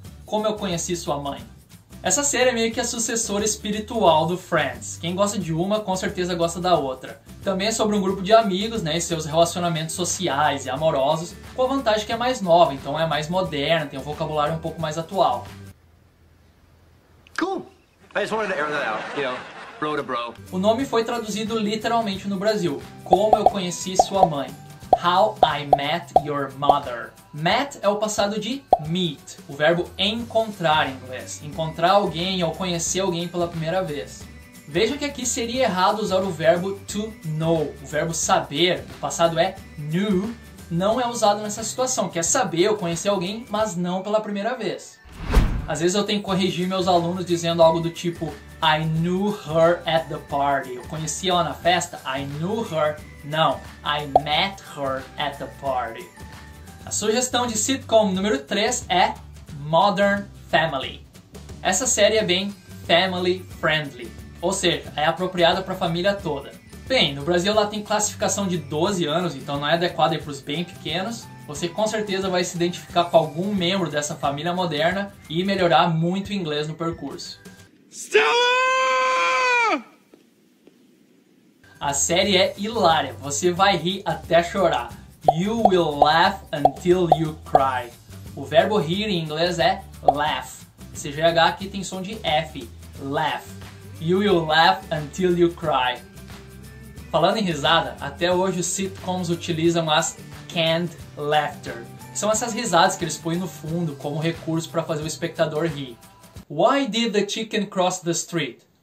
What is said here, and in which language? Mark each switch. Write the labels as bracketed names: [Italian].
[Portuguese] Como eu conheci sua mãe. Essa série é meio que a sucessora espiritual do Friends. Quem gosta de uma, com certeza gosta da outra. Também é sobre um grupo de amigos, né, e seus relacionamentos sociais e amorosos, com a vantagem que é mais nova, então é mais moderna, tem um vocabulário um pouco mais atual. [English] Cool. I just wanted to air that out, you know, bro to bro. [Portuguese] O nome foi traduzido literalmente no Brasil, Como Eu Conheci Sua Mãe. How I Met Your Mother. Met é o passado de meet, o verbo encontrar em inglês. Encontrar alguém ou conhecer alguém pela primeira vez. Veja que aqui seria errado usar o verbo to know, o verbo saber, o passado é knew, não é usado nessa situação, que é saber ou conhecer alguém, mas não pela primeira vez. Às vezes eu tenho que corrigir meus alunos dizendo algo do tipo [English] I knew her at the party. [Portuguese] Eu conheci ela na festa, [English] I knew her. [Portuguese] Não, [English] I met her at the party. [Portuguese] A sugestão de sitcom número 3 é Modern Family. Essa série é bem family friendly, ou seja, é apropriada para a família toda. Bem, no Brasil ela tem classificação de 12 anos, então não é adequada para os bem pequenos. Você com certeza vai se identificar com algum membro dessa família moderna e melhorar muito o inglês no percurso. Stella! A série é hilária, você vai rir até chorar. [English] You will laugh until you cry. [Portuguese] O verbo rir em inglês é laugh. Esse GH aqui tem som de F. Laugh. [English] You will laugh until you cry. [Portuguese] Falando em risada, até hoje os sitcoms utilizam as canned laughter. São essas risadas que eles põem no fundo como recurso para fazer o espectador rir. [English] Why did the chicken cross the street?